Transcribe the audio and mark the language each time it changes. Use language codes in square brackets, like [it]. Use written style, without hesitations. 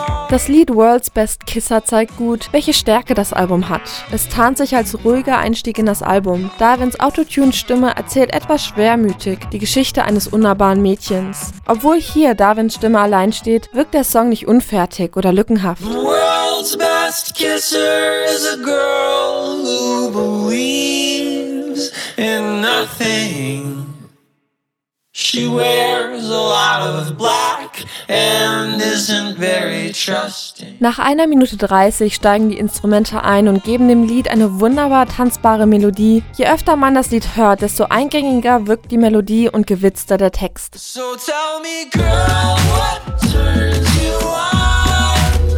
[de] Das Lied World's Best Kisser zeigt gut, welche Stärke das Album hat. Es tarnt sich als ruhiger Einstieg in das Album. Darwins Autotune-Stimme erzählt etwas schwermütig die Geschichte eines unnahbaren Mädchens. Obwohl hier Darwins Stimme allein steht, wirkt der Song nicht unfertig oder lückenhaft. [en] World's best kisser is a girl who believes in nothing. She wears a lot of black and isn't very trusting. [de] Nach 1 Minute 30 steigen die Instrumente ein und geben dem Lied eine wunderbar tanzbare Melodie. Je öfter man das Lied hört, desto eingängiger wirkt die Melodie und gewitzter der Text. [en] So tell me, girl, what turns you on?